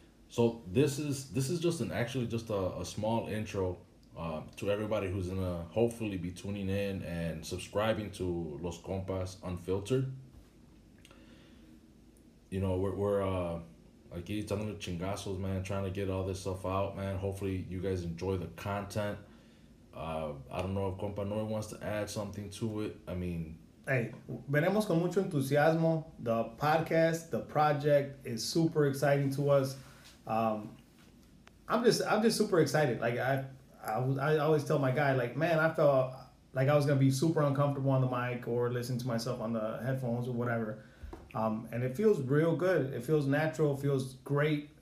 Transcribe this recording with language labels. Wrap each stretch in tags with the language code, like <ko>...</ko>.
<en>So this is just a small intro to everybody who's going to hopefully be tuning in and subscribing to Los Compas Unfiltered. You know, we're</en> <es>echando los chingazos,</es> <en>man, trying to get all this stuff out, man. Hopefully you guys enjoy the content. I don't know if Compa Noy wants to add something to it. I mean,</en> <es>hey, venimos con mucho entusiasmo.</es> <en>The podcast, the project is super exciting to us. I'm just super excited. Like I always tell my guy, like, man, I felt like I was gonna be super uncomfortable on the mic or listening to myself on the headphones or whatever. And it feels real good. It feels natural. It feels great.</en>